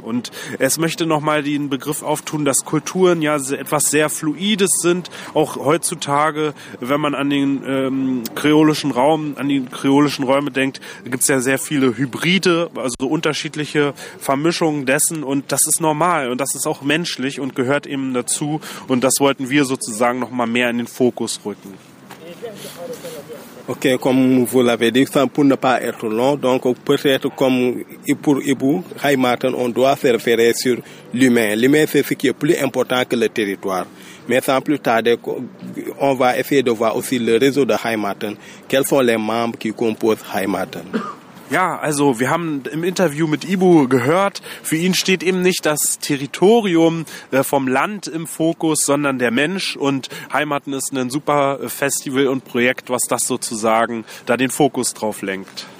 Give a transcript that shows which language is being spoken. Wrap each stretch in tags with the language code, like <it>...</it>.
<de>Und es möchte nochmal den Begriff auftun, dass Kultur ja etwas sehr Fluides sind, auch heutzutage, wenn man an den kreolischen Räume denkt, gibt es ja sehr viele Hybride, also unterschiedliche Vermischungen dessen und das ist normal und das ist auch menschlich und gehört eben dazu und das wollten wir sozusagen nochmal mehr in den Fokus rücken.</de> <fr>Ok, comme vous l'avez dit, sans pour ne pas être long, donc peut-être comme Ibour Ibou, Haïmaten, on doit se référer sur l'humain. L'humain, c'est ce qui est plus important que le territoire. Mais sans plus tarder, on va essayer de voir aussi le réseau de Haïmaten. Quels sont les membres qui composent Haïmaten?</fr> <de>Ja, also wir haben im Interview mit Ibu gehört, für ihn steht eben nicht das Territorium vom Land im Fokus, sondern der Mensch und Heimaten ist ein super Festival und Projekt, was das sozusagen da den Fokus drauf lenkt.</de>